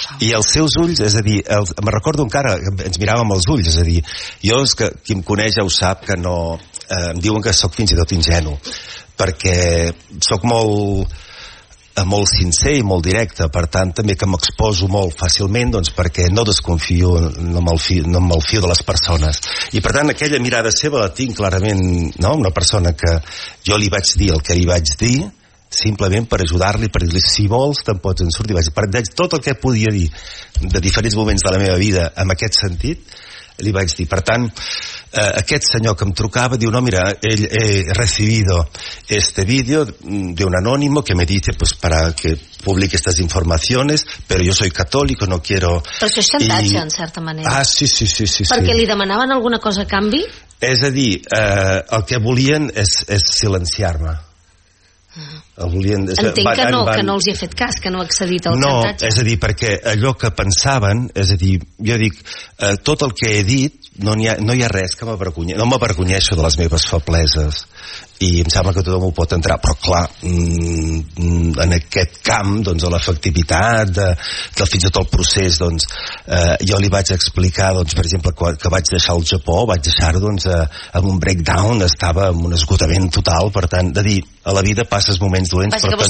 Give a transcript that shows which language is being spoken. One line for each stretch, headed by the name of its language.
Catalan: i els seus ulls, és a dir, me recordo encara, ens miràvem els ulls, és a dir, jo és que qui em coneix ja ho sap, que no, em diuen que sóc fins i tot ingenu, perquè sóc molt sincer i molt directe, per tant també que m'exposo molt fàcilment, doncs perquè no desconfio, no me'l fio de les persones, i per tant aquella mirada seva la tinc clarament, no? Una persona que jo li vaig dir el que li vaig dir simplement per ajudar-li, per dir-li si vols te'n pots en sortir. Vaig, tot el que podia dir de diferents moments de la meva vida en aquest sentit li vaig dir. Per tant, aquest senyor que em trucava diu, no, mira,
Spanish: he recibido este vídeo de un anónimo que me dice pues para que publique estas informaciones, pero yo soy católico, no quiero...
Catalan: Però això és xantatge, en certa manera. Ah, sí. Perquè li demanaven alguna cosa a canvi? És a dir, el que volien és silenciar-me. Entenc que no els hi ha fet cas, que no ha accedit al no, xantatge. No, és a dir, perquè allò que pensaven, és a dir, jo dic, tot el que he dit, no hi ha res que m'avergonyeixi, no m'avergonyeixo de les meves febleses, i em sembla que tothom ho pot entrar, però clar, en aquest camp, doncs, de l'efectivitat, de fins i tot el procés, doncs, jo li vaig explicar, doncs, per exemple, que vaig deixar el Japó, vaig deixar, doncs, amb un breakdown, estava amb un esgotament total, per tant, de dir, a la vida passes moments dolents, però